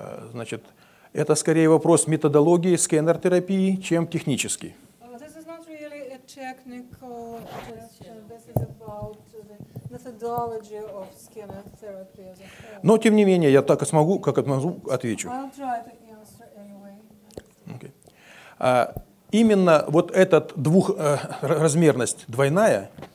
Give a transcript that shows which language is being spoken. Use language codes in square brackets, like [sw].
[ru] Значит, это скорее вопрос методологии сканер-терапии, чем технический. [en] This is not really a technical question. This is about the methodology of scanner therapy as a whole. [ru] Но, тем не менее, я так и смогу, как отмогу, отвечу. [en] I'll try to answer anyway. Okay. [ru] Именно вот этот двухразмерность двойная.